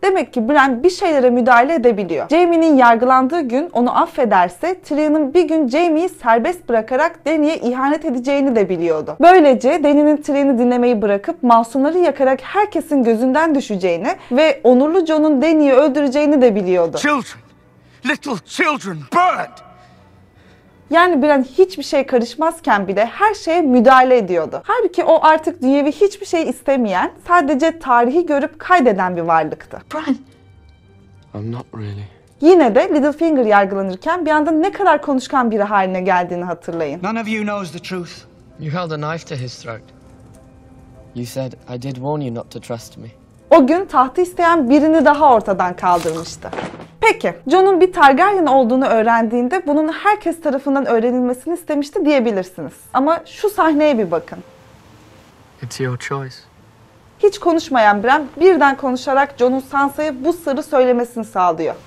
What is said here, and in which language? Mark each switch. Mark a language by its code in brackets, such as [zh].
[tr] Demek ki Bran bir şeylere müdahale edebiliyor. Jaime'nin yargılandığı gün onu affederse Tyrion'un bir gün Jaime'yi serbest bırakarak Dany'ye ihanet edeceğini de biliyordu. Böylece Dany'nin Tyrion'u dinlemeyi bırakıp masumları yakarak herkesin gözünden düşeceğini ve onurlu Jon'un Dany'yi öldüreceğini de biliyordu. [en] Children, little children burned! [tr] Yani Bran hiçbir şey karışmazken bile her şeye müdahale ediyordu. Halbuki o artık dünyevi hiçbir şey istemeyen, sadece tarihi görüp kaydeden bir varlıktı. [en] Bran. I'm not really. [tr] Yine de Littlefinger yargılanırken bir anda ne kadar konuşkan biri haline geldiğini hatırlayın. [en] None of you knows the truth. You held a knife to his throat. You said I did warn you not to trust me. [tr] O gün tahtı isteyen birini daha ortadan kaldırmıştı. Peki, Jon'un bir Targaryen olduğunu öğrendiğinde bunun herkes tarafından öğrenilmesini istemişti diyebilirsiniz. Ama şu sahneye bir bakın. [en] It's your choice. [tr] Hiç konuşmayan Bran birden konuşarak Jon'un Sansa'ya bu sırrı söylemesini sağlıyor.